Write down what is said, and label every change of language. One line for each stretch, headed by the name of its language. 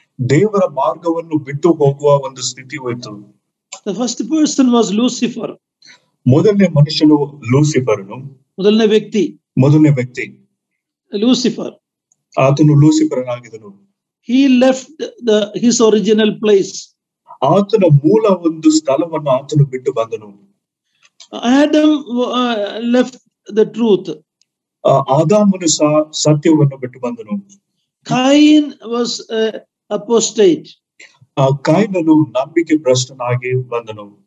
Kannada: ದೇವರ ಮಾರ್ಗವನ್ನು ಬಿಟ್ಟು ಹೋಗುವ ಒಂದು ಸ್ಥಿತಿ ಹೋಯಿತು.
English: The first person was Lucifer.
Kannada: ಮೊದಲನೇ ಮನುಷ್ಯನು ಲೂಸಿಫರ್ನು. ಮೊದಲನೇ ವ್ಯಕ್ತಿ ಲೂಸಿಫರ್. ಆತನು Lucifer ಆಗಿದನು.
English: He left his original place.
Kannada: ಆತನ ಮೂಲ ಒಂದು ಸ್ಥಳವನ್ನು ಆತನು ಬಿಟ್ಟು ಬಂದನು.
English: Adam left the truth.
Kannada: ಆದಾಮನು ಸಹ ಸತ್ಯವನ್ನು ಬಿಟ್ಟು ಬಂದನು.
English: Cain was apostate.
Kannada: ಕಾಯಿನನು ನಂಬಿಕೆ ಭ್ರಷ್ಟನಾಗಿ ಬಂದನು.